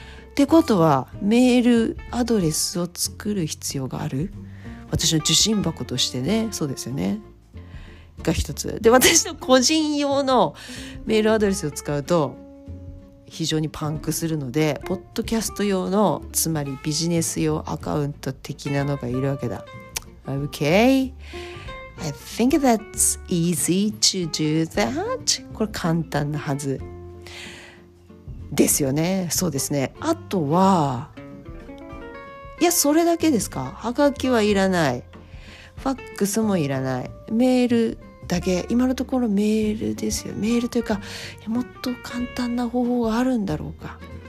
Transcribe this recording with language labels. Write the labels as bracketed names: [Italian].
[Japanese] ってことはメールアドレスを作る必要がある、私の受信箱としてね、そうですよね、が一つで、私の個人用のメールアドレスを使うと非常にパンクするので、ポッドキャスト用の、つまりビジネス用アカウント的なのがいるわけだ。 [English] OK I think that's easy to do that。 [Japanese] これ簡単なはずですよね。そうですね。あとは、いやそれだけですか。ハガキはいらない、ファックスもいらない、メールだけ。今のところメールですよ。メールというか、もっと簡単な方法があるんだろうか。